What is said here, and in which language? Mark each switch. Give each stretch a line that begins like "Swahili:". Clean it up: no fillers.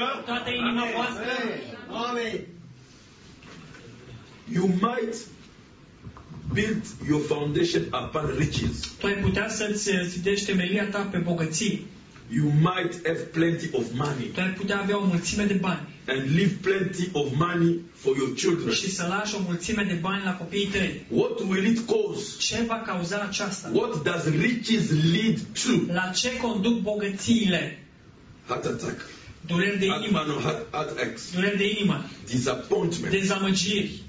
Romanian: Toată inima voastră. Amen.
English: You might build your foundation upon riches.
Romanian: Tu ai putea să-ți zidești temelia ta pe bogății.
English: You might have plenty of money.
Romanian: Tu ai putea avea o mulțime de bani.
English: And leave plenty of money for your children.
Romanian: Și să lași o mulțime de bani la copiii tăi.
English: What will it cause?
Romanian: Ce va cauza aceasta?
English: What does riches lead to?
Romanian: La ce conduc bogățiile?
English: Heart attack.
Romanian: Dureri de inimă. Dureri de inimă.
English: Disappointment.
Romanian: Dezamăgiri.